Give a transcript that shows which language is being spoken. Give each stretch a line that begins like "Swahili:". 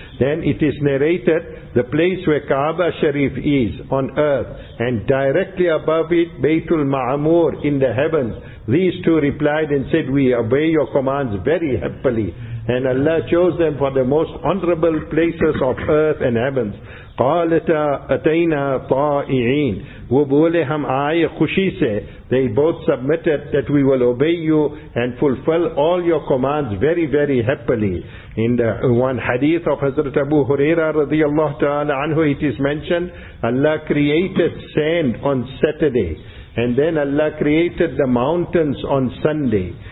English: Then it is narrated, the place where Kaaba Sharif is on earth, and directly above it, Baytul Ma'amur in the heavens, these two replied and said, we obey your commands very happily. And Allah chose them for the most honorable places of earth and heavens.
Arabic: قَالَتَا أَتَيْنَا طَائِعِينَ
Urdu: وہ بولے ہم آئے خوشی سے.
English: They both submitted that we will obey you and fulfill all your commands very, very happily. In the one hadith of Hazrat Abu Huraira radiallahu ta'ala anhu, it is mentioned, Allah created sand on Saturday. And then Allah created the mountains on Sunday.